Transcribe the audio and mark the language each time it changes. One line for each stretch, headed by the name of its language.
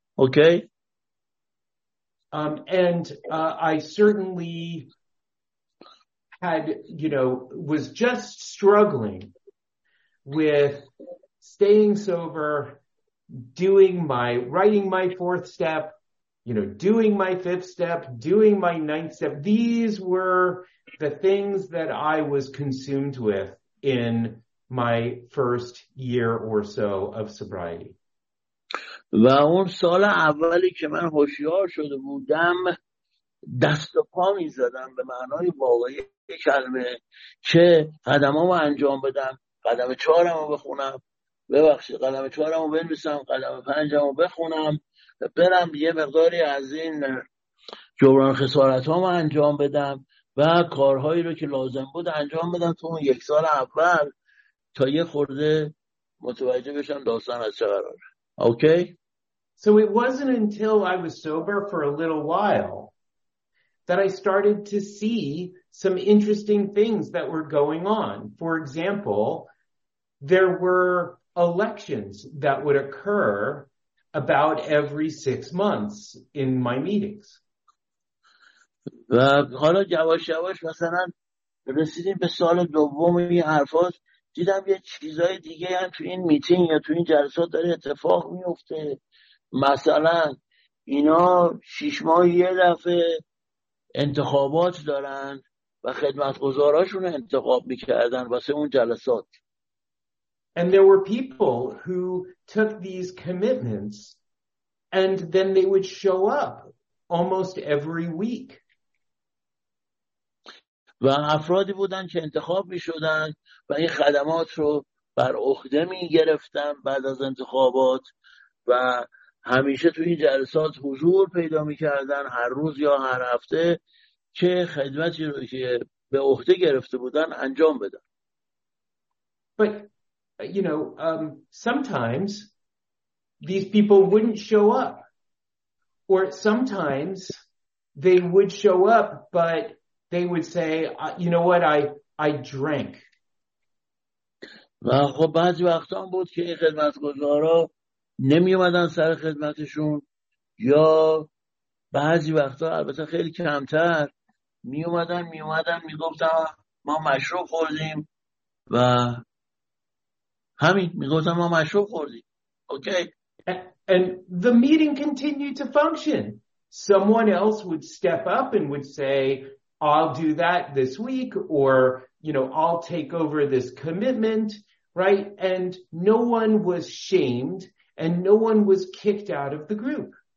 English: Okay? I certainly had, you know, was just struggling with staying sober, writing my fourth step, you know, doing my fifth step, doing my ninth step. These were the things that I was consumed with in my first year or so of sobriety.
Persian: و اون سال اولی که من هوشیار شده بودم دست و پا می زدم به معنای واقعی کلمه که قدمامو انجام بدم، قدم چهارمو بخونم، ببخشید قلم چهارم رو بنویسم، قلم پنجم رو بخونم، برم یه مقداری از این جبران خسارت هامو انجام بدم و کارهایی رو که لازم بود انجام بدم تو اون یک سال اول تا یه خورده متوجه بشم داستان از چه قراره. اوکی؟
English: So it wasn't until I was sober for a little while that I started to see some interesting things that were going on. For example, there were elections that would occur about every 6 months in my meetings.
Persian: و حالا یواش یواش مثلا رسیدیم به سال دوم این حرفات، دیدم یه چیزای دیگه هم تو این میتینگ یا تو این جلسات داره اتفاق میفته. مثلا اینا 6 ماه یه دفعه انتخابات دارن و خدمتگزاراشون انتخاب میکردن واسه اون جلسات.
English: And there were people who took these commitments and then they would show up almost every week.
Persian: و افرادی بودن که انتخاب می شدن و این خدمات رو بر عهده می گرفتن بعد از انتخابات و همیشه تو این جلسات حضور پیدا می کردن هر روز یا هر هفته که خدمتی رو که به عهده گرفته بودن انجام بدن.
English: But you know, sometimes these people wouldn't show up, or sometimes they would show up, but they would say, you know what, I drank.
Persian: و خب بعضی وقتا هم بود که این خدمتگزارا نمی اومدن سر خدمتشون یا بعضی وقتا البته خیلی کمتر می اومدن می گفتن ما مشروب خوردیم و همین می گفتن ما مشروب خوردیم. اوکی.
English: And the meeting continued to function. Someone else would step up and would say, I'll do that this week, or, you know, I'll take over this commitment, right? And no one was shamed, and no one was kicked out of the group.